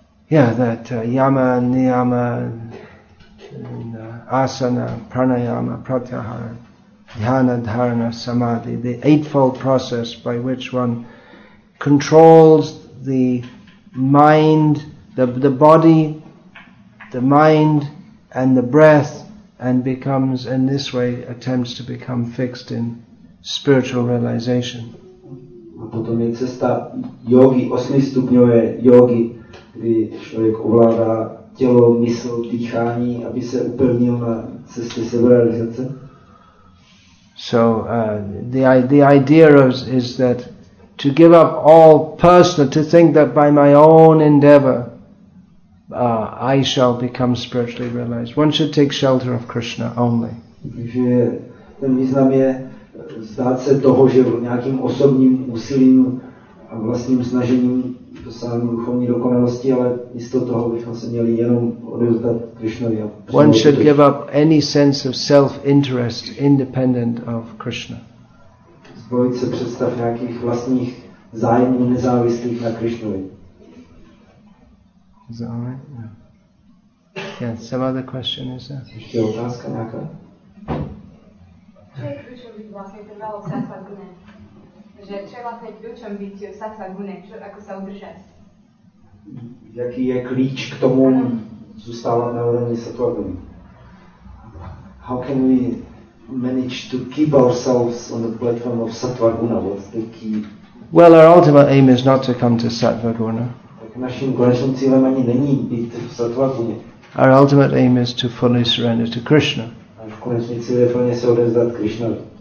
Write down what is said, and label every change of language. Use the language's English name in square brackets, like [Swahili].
[English] yama, niyama, and, asana, pranayama, pratyahara, dhyana, dharana, samadhi, the eightfold process by which one controls the mind, the body, the mind, and the breath, and becomes, in this way, attempts to become fixed in spiritual realization. [Czech] A potom je cesta jogy, osmistupňové jogy, kdy člověk ovládá tělo, mysl, dýchání, aby se upevnil na cestě seberealizace. [English] So the idea is that to give up all personal, to think that by my own endeavor, I shall become spiritually realized. One should take shelter of Krishna only. [Czech] Takže ten význam je zdát se toho, že nějakým osobním úsilím a vlastním snažením dosáhnu duchovní dokonalosti, ale místo toho bychom se měli jenom odevzdat Krishnovi. [English] One should give up any sense of self-interest independent of Krishna. [Czech] Zbavit se představ nějakých vlastních zájmů nezávislých na Krishnovi. [English] Is that all right? Yeah. Yeah, some other question is there? [Czech] Ještě otázka nějaká? Co je kručový vlastně trvalo v sattva gune? Že co je vlastně klíčem být v sattva gune? Ako se udržet? Jaký je klíč k tomu zůstávat na úrovni sattva gune? [English] How can we manage to keep ourselves on the platform of sattva guna? What's the key? Well, our ultimate aim is not to come to sattva guna. [Czech] Naším konečným cílem ani není být v sattva guně. [English] Our ultimate aim is to fully surrender to Krishna. [Czech] Naším konečným cílem je plně se odevzdat Krishnovi.